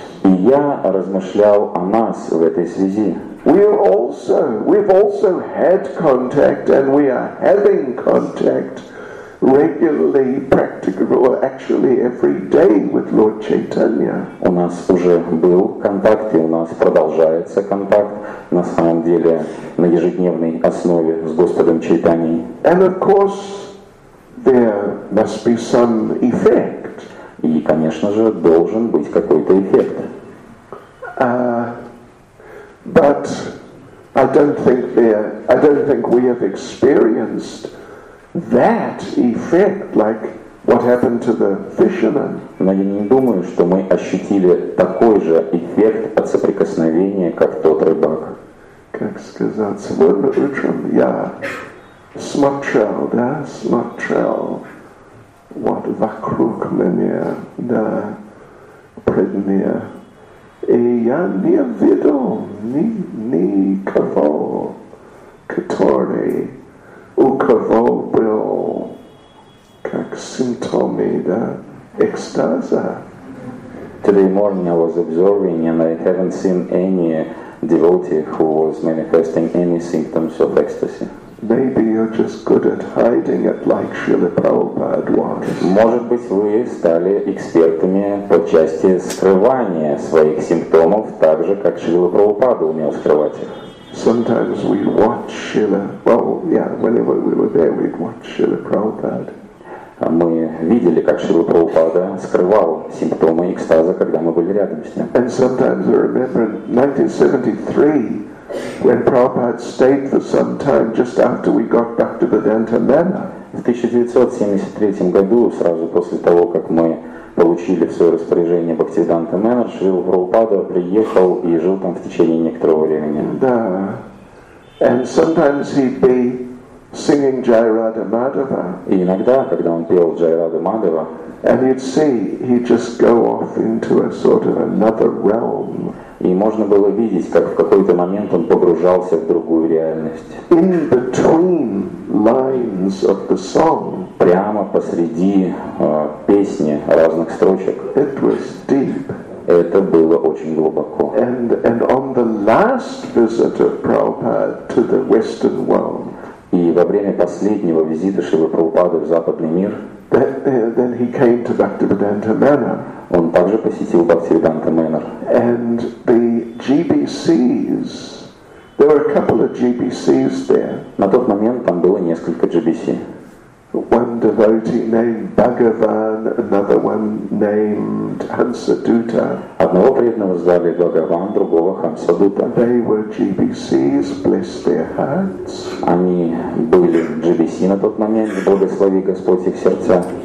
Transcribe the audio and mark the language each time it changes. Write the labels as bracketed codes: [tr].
[ru] И я размышлял о нас в этой связи. [en] We've also had contact, and we are having contact regularly, practically, or actually every day with Lord Chaitanya. [ru] У нас уже был контакт, и у нас продолжается контакт, на самом деле, на ежедневной основе с Господом Чайтаньей. [en] And of course, there must be some effect. [ru] И, конечно же, должен быть какой-то эффект. [en] But I don't think we have experienced that effect like what happened to the fisherman. [ru] Но я не думаю, что мы ощутили такой же эффект от соприкосновения, как тот рыбак. Как сказать, сегодня утром я смотрел, да, смотрел, вот вокруг меня, да, пред меня. И я не видел никого, который у кого был как симптомы, да, экстаза. [en] Today morning I was observing and I haven't seen any devotee who was manifesting any symptoms of ecstasy. Maybe you're just good at hiding it like Srila Prabhupada was. [ru] Может быть, вы стали экспертами по части скрывания своих симптомов, так же, как Шрила Прабхупада умел скрывать их. [en] Sometimes we watch Srila. Well, yeah, whenever we were there, we'd watch Srila Prabhupada. [ru] Мы видели, как Шрила Прабхупада скрывал симптомы экстаза, когда мы были рядом с ним. [en] And sometimes I remember in 1973, when Prabhupada stayed for some time just after we got back to Vedanta Manor. [ru] В 1973 году, сразу после того, как мы получили в свое распоряжение Бхактивиданта Мэнор, Шрила Прабхупада приехал и жил там в течение некоторого времени. Да. [en] And sometimes he'd be singing Jai Radha Madhava. [ru] И иногда, когда он пел Jai Radha Madhava, [en] and you'd see he'd just go off into a sort of another realm. [ru] И можно было видеть, как в какой-то момент он погружался в другую реальность. [en] In between lines of the song, [ru] прямо посреди песни разных строчек. [en] It was deep. [ru] Это было очень глубоко. [en] And on the last visit of Prabhupada to the Western world, [ru] и во время последнего визита Шрилы Прабхупады в западный мир, [en] then he came to Bhaktivedanta Manor. [ru] Он также посетил Бхактивиданта Мэнор. [en] And the GBCs, there were a couple of GBCs there. [ru] На тот момент там было несколько GBC. [en] One devotee named Bhagavan, another one named Hansaduta. [ru] Одного преданного звали Бхагаван, другого Хансадута. [en] They were GBCs, bless their hearts. [ru] Они были GBC на тот момент, благослови Господь их сердца.